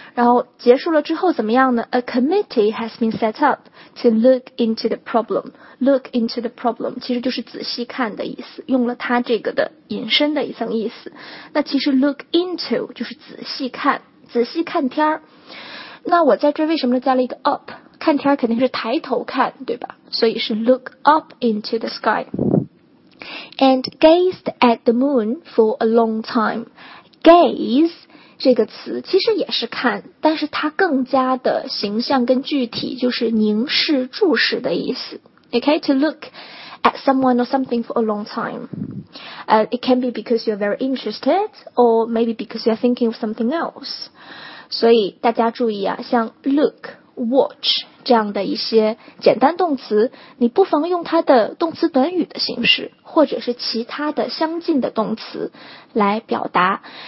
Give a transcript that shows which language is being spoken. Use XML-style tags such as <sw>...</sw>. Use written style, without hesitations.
<zh>然后结束了之后怎么样呢</zh> <en>？A committee has been set up to look into the problem. Look into the problem</en> <zh>其实就是仔细看的意思，用了它这个的引申的一层意思。那其实 look into 就是仔细看。仔细看天儿，那我在这为什么加了一个 up？看天儿肯定是抬头看，对吧？所以是</zh> <en>look up into the sky and gazed at the moon for a long time.</en> <zh>Gaze 这个词其实也是看，但是它更加的形象跟具体，就是凝视、注视的意思。</zh> <en>Okay, to look at someone or something for a long time. It can be because you're very interested or maybe because you're thinking of something else.</en> <zh>所以大家注意啊，像 look, watch 这样的一些简单动词，你不妨用它的动词短语的形式或者是其他的相近的动词来表达。</zh>